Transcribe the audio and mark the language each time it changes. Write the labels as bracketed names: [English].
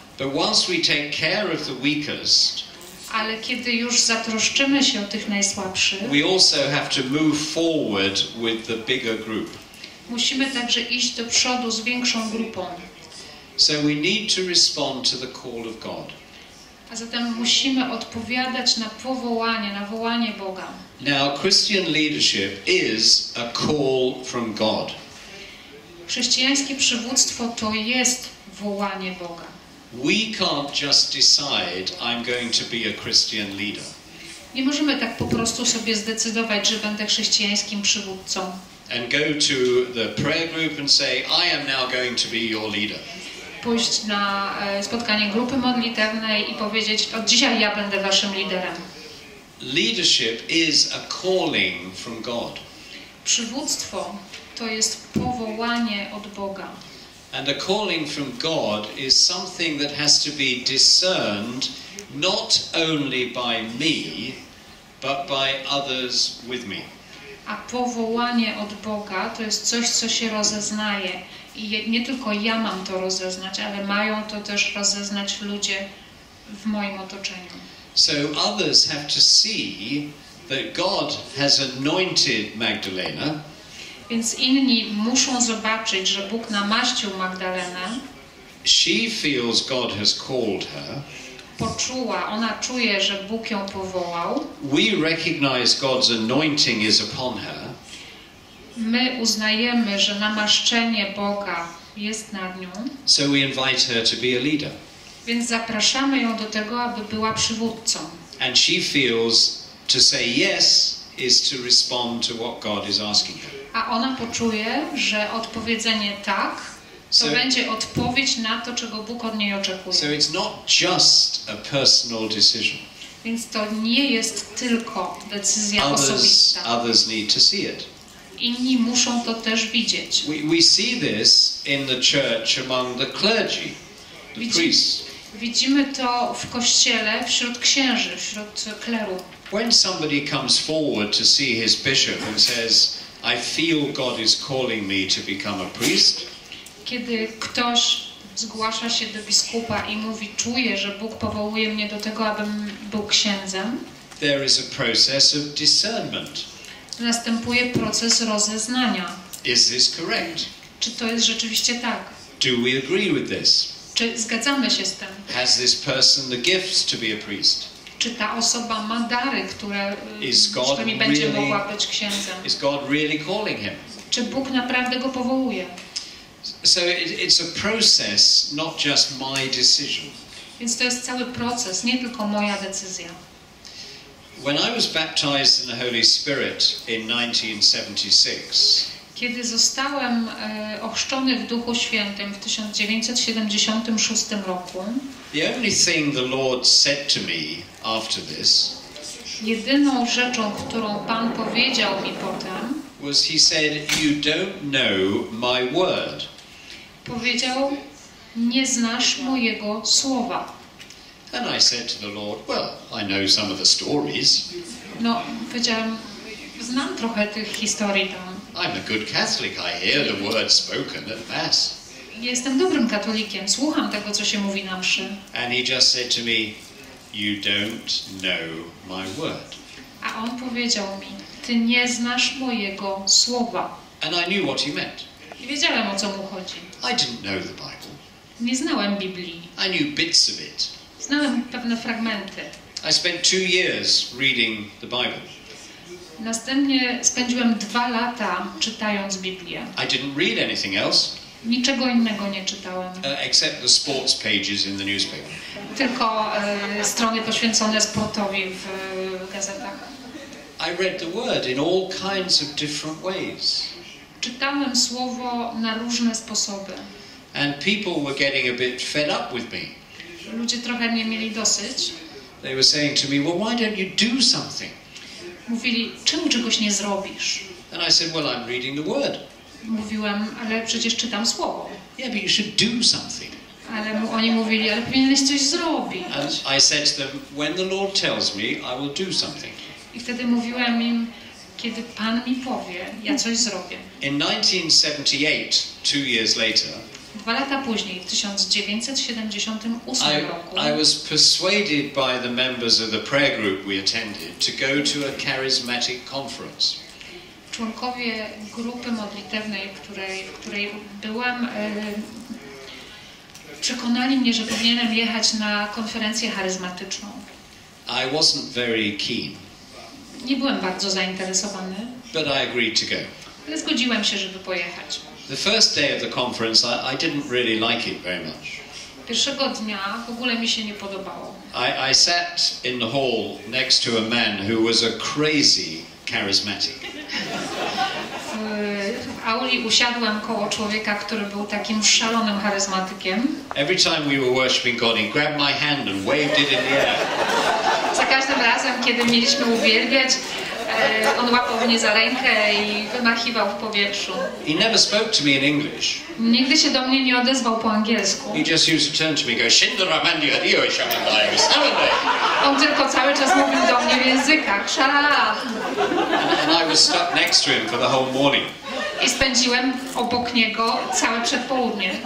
[English] But once we take care of the weakest, [Polish] ale kiedy już zatroszczymy się o tych najsłabszych, [English] we also have to move forward with the bigger group. [Polish] Musimy także iść do przodu z większą grupą. [English] So we need to respond to the call of God. [Polish] A zatem musimy odpowiadać na powołanie, na wołanie Boga. [English] Now, Christian leadership is a call from God. [Polish] Chrześcijańskie przywództwo to jest wołanie Boga. [English] We can't just decide I'm going to be a Christian leader. [Polish] Nie możemy tak po prostu sobie zdecydować, że będę chrześcijańskim przywódcą. [English] And go to the prayer group and say I am now going to be your leader. [Polish] Pójść na spotkanie grupy modlitewnej i powiedzieć od dzisiaj ja będę waszym liderem. [English] Leadership is a calling from God. [Polish] Przywództwo to jest powołanie od Boga. [English] And a calling from God is something that has to be discerned not only by me, but by others with me. [Polish] A powołanie od Boga to jest coś, co się rozeznaje. I nie tylko ja mam to rozeznać, ale mają to też rozeznać ludzie w moim otoczeniu. [English] So others have to see that God has anointed Magdalena. [Polish] Więc inni muszą zobaczyć, że Bóg namaścił Magdalenę. [English] She feels God has called her. [Polish] Poczuła, ona czuje, że Bóg ją powołał. [English] We recognize God's anointing is upon her. [Polish] My uznajemy, że namaszczenie Boga jest nad nią. [English] So we invite her to be a leader. [Polish] Więc zapraszamy ją do tego, aby była przywódcą. [English] And she feels to say yes is to respond to what God is asking her. [Polish] A ona poczuje, że odpowiedzenie tak to będzie odpowiedź na to, czego Bóg od niej oczekuje. [English] So it's not just a personal decision. [Polish] Więc to nie jest tylko decyzja osobista. [English] Others need to see it. [Polish] Inni muszą to też widzieć. [English] We see this in the church among the clergy, the priests. [Polish] Widzimy to w kościele wśród księży, wśród kleru. [English] When somebody comes forward to see his bishop and says, I feel God is calling me to become a priest. [Polish] Kiedy ktoś zgłasza się do biskupa i mówi, czuję, że Bóg powołuje mnie do tego, abym był księdzem. [English] There is a process of discernment. [Polish] Następuje proces rozeznania. [English] Is this correct? [Polish] Czy to jest rzeczywiście tak? [English] Do we agree with this? [Polish] Czy zgadzamy się z tym? [English] Has this person the gifts to be a priest? [Polish] Czy ta osoba ma dary, które mi będzie mogła być księdzem? [English] Is God really calling him? [Polish] Czy Bóg naprawdę go powołuje? [English] So it's a process, not just my decision. [Polish] Więc to jest cały proces, nie tylko moja decyzja. [English] When I was baptized in the Holy Spirit in 1976. [Polish] Kiedy zostałem ochrzczony w Duchu Świętym w 1976 roku. [English] The only thing the Lord said to me after this. [Polish] Jedyną rzeczą, którą Pan powiedział mi potem. [English] Was he said, you don't know my word. [Polish] Powiedział, nie znasz mojego słowa. [English] And I said to the Lord, well, I know some of the stories. [Polish] No, powiedziałem, znam trochę tych historii tam. [English] I'm a good Catholic, I hear the word spoken at Mass. [Polish] Jestem dobrym katolikiem, słucham tego, co się mówi na mszy. [English] And he just said to me, you don't know my word. [Polish] A on powiedział mi, ty nie znasz mojego słowa. [English] And I knew what he meant. [Polish] I wiedziałem, o co mu chodzi. [English] I didn't know the Bible. [Polish] Nie znałem Biblii. [English] I knew bits of it. [Polish] Znałem pewne fragmenty. [English] I spent 2 years reading the Bible. [Polish] Następnie spędziłem 2 lata czytając Biblię. [English] I didn't read anything else. [Polish] Niczego innego nie czytałem. [English] Except the sports pages in the newspaper. [Polish] Tylko strony poświęcone sportowi w gazetach. [English] I read the word in all kinds of different ways. [Polish] Czytałem słowo na różne sposoby. [English] And people were getting a bit fed up with me. [Polish] Ludzie trochę mnie mieli dosyć. [English] They were saying to me, well, why don't you do something? [Polish] Mówili, czemu czegoś nie zrobisz? [English] And I said, well, I'm reading the word. [Polish] Mówiłem, ale przecież czytam słowo. [English] Yeah, but you should do something. [Polish] Ale oni mówili, ale powinieneś coś zrobić. [English] And I said to them, when the Lord tells me, I will do something. [Polish] I wtedy mówiłem im, kiedy Pan mi powie, ja coś zrobię. [English] In 1978, 2 years later, [Polish] 2 lata później, w 1978 roku, [English] I was persuaded by the members of the prayer group we attended to go to a charismatic conference. [Polish] Członkowie grupy modlitewnej, w której byłem, przekonali mnie, że powinienem jechać na konferencję charyzmatyczną. [English] I wasn't very keen. [Polish] Nie byłem bardzo zainteresowany. [English] But I agreed to go. [Polish] Ale zgodziłem się, żeby pojechać. [English] The first day of the conference, I didn't really like it very much. [Polish] Pierwszego dnia w ogóle mi się nie podobało. [English] I sat in the hall next to a man who was a crazy charismatic. [Polish] W auli usiadłem koło człowieka, który był takim szalonym charyzmatykiem. [English] Every time we were worshiping God, he grabbed my hand and waved it in the air. [Polish] Za każdym razem, kiedy mieliśmy uwielbiać, On łapał mnie za rękę i wymachiwał w powietrzu. [English] He never spoke to me in English. [Polish] Nigdy się do mnie nie odezwał po angielsku. [English] He just used to turn to me, go, "Shindaramandi adio, shamandai, shamandai." [Polish] On tylko cały czas mówił do mnie w językach, szalala. [English] And I was stuck next to him for the whole morning. [Polish] I spędziłem obok niego całe przedpołudnie.